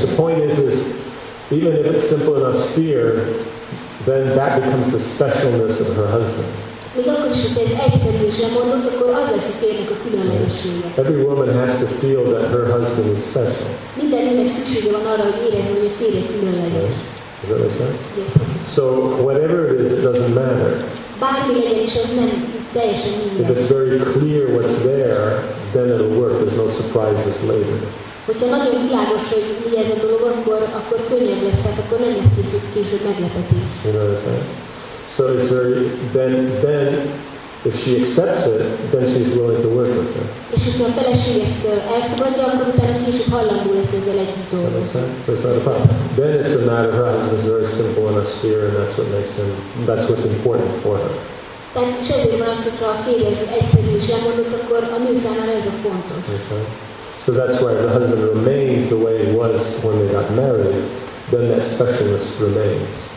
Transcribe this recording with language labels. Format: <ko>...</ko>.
<en>The point is even if it's simple and austere, then that becomes the specialness of her husband.</en> <hu>Még akkor is, hogy ez egyszerű és lemondott, akkor az lesz a férnek a különlegessége.</hu> <en>Every woman has to feel that her husband is special.</en> <hu>Minden nőnek szüksége van arra, hogy érezze, hogy a férjének különleges.</hu> <en>Does that make sense? So, whatever it is, it doesn't matter.</en> <hu>Bármi legyen is, az nem</hu> <en>If it's very clear what's there, then it'll work. There's no surprises later.</en> <hu>Hogyha nagyon világos, hogy mi ez a dolog, akkor könnyebb lesz, hát akkor nem lesz később meglepetés.</hu> <en>You know what I'm saying? So it's very, then if she accepts it, then she's willing to work with her.</en> <hu>És hogyha a feleség ezt elfogadja, akkor utána később hallandó lesz ezzel együtt dolgozni.</hu> <en>So it's not a problem. Then it's a matter of her husband is very simple and austere, and that's what makes him, that's what's important for her.</en> <hu>Tehát semmi más, hogyha a férje ezt egyszerű is lemondott, akkor a nő számára ez a fontos.</hu> <en>So that's why the husband remains the way he was when they got married, then that specialist remains.</en>